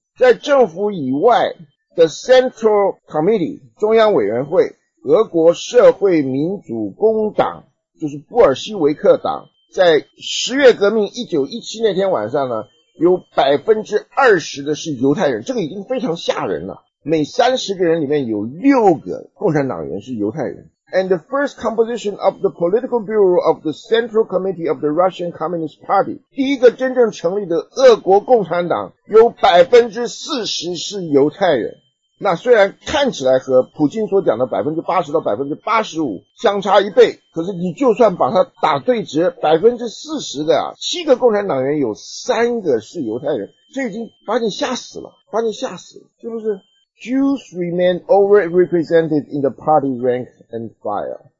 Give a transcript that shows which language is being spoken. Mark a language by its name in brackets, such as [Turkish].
[Chinese] 在政府以外的 Central Committee 中央委员会，俄国社会民主工党，就是布尔希维克党，在十月革命1917那天晚上呢，有 20% 的是犹太人，这个已经非常吓人了。每30个人里面有6个共产党员是犹太人。 [English] And the first composition of the Political Bureau of the Central Committee of the Russian Communist Party. [Chinese] 第一个真正成立的俄国共产党有 40% 是犹太人。那虽然看起来和普京所讲的 80%-85% 相差一倍，可是你就算把它打对折 ,40% 的啊，七个共产党员有三个是犹太人。这已经把你吓死了，把你吓死了，是不是？ [English] Jews remain overrepresented in the party rank and file.